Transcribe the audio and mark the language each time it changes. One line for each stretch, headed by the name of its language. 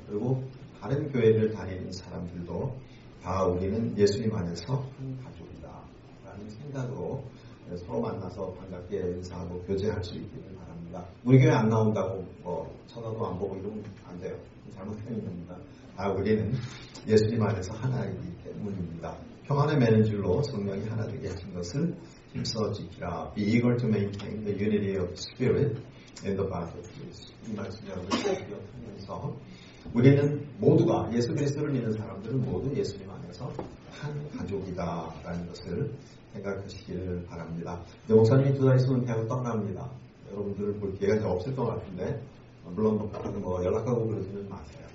Korean: 그리고 다른 교회를 다니는 사람들도 다 우리는 예수님 안에서 한 가족이다 라는 생각으로 서로 만나서 반갑게 인사하고 교제할 수 있기를 바랍니다. 우리 교회 안 나온다고 뭐 쳐다도 안 보고 이러면 안 돼요. 잘못 생각입니다. 다 우리는 예수님 안에서 하나이기 때문입니다. 평안의 매니저로 성령이 하나 되게 하신 것을 힘써 지키라.
English: Be eager to maintain the unity of spirit in the body of Jesus.
Korean: 이 말씀을 기억하면서 우리는 모두가 예수 그리스도를 믿는 사람들은 모두 예수님 안에서 한 가족이다 라는 것을 생각하시기를 바랍니다. 이제 목사님이 두 달 있으면 대학을 떠납니다. 여러분들 볼 기회가 잘 없을 것 같은데 물론 뭐 연락하고 그러지는 마세요.